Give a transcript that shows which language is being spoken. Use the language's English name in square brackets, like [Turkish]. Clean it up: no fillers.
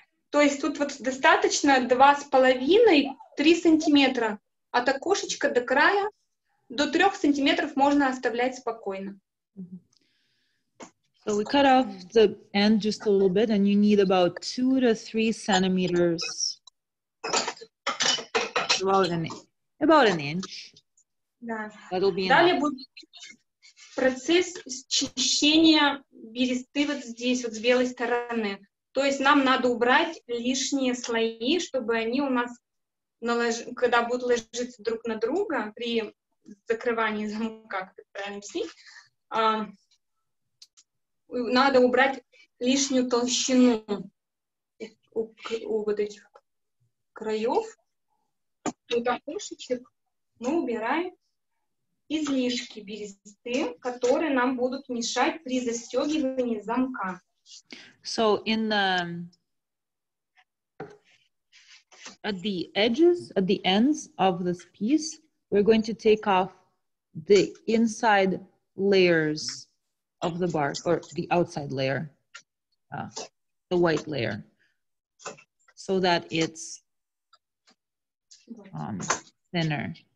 [Russian] То есть тут вот достаточно 2.5-3 сантиметра от окошечка до края. До 3 сантиметров можно оставлять спокойно. [English] So we cut off the end just a little bit, and you need about 2-3 centimeters. About an inch. [Russian] Да. [English] That'll be [Russian] Далее [English] enough. [Russian] Будет процесс счищения бересты вот здесь, вот с белой стороны. То есть нам надо убрать лишние слои, чтобы они у нас, когда будут ложиться друг на друга, при закрывание замка, как это правильно объяснить, надо убрать лишнюю толщину у вот этих краев, у окошечек мы убираем излишки бересты, которые нам будут мешать при застегивании замка. [English] So in the at the edges, at the ends of this piece, we're going to take off the inside layers of the bark, or the outside layer, the white layer, so that it's thinner.